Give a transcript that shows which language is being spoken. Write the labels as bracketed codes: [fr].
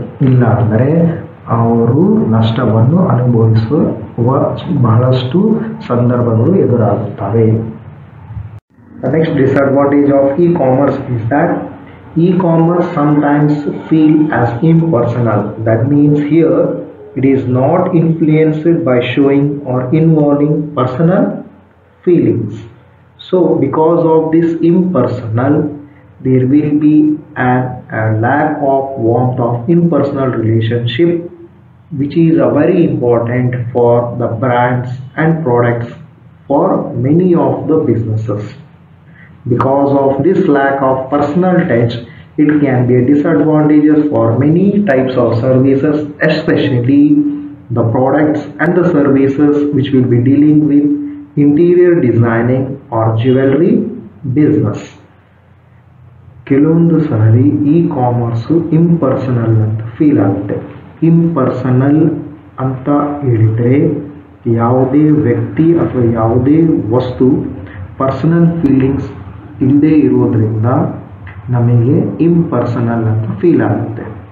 [kn] ಇಲ್ಲಾಂದರೆ ಅವರು ನಷ್ಟವನ್ನು ಅನುಭವಿಸುವ ಬಹಳಷ್ಟು ಸಂದರ್ಭಗಳು ಎದುರಾಗುತ್ತವೆ. [en] Next disadvantage of e-commerce is that e-commerce sometimes feel as impersonal. That means here it is not influenced by showing or involving personal feelings. So because of this impersonal, there will be a lack of warmth of impersonal relationship, which is a very important for the brands and products for many of the businesses. Because of this lack of personal touch, it can be a disadvantage for many types of services, especially the products and the services which will be dealing with interior designing or jewelry business. [kn] ಕೆಲವೊಂದು ಸಾರಿ E-commerce impersonal ಅಂತ feel ಆಗುತ್ತೆ. Impersonal ಅಂತ ಹೇಳಿದರೆ ಯಾವುದೇ ವ್ಯಕ್ತಿ ಅಥವಾ ಯಾವುದೇ ವಸ್ತು ಪರ್ಸನಲ್ ಫೀಲಿಂಗ್ಸ್ ಇಲ್ಲದೇ ಇರೋದ್ರಿಂದ ನಮಗೆ ಇಂಪರ್ಸನಲ್ ಅಂತ ಫೀಲ್ ಆಗುತ್ತೆ.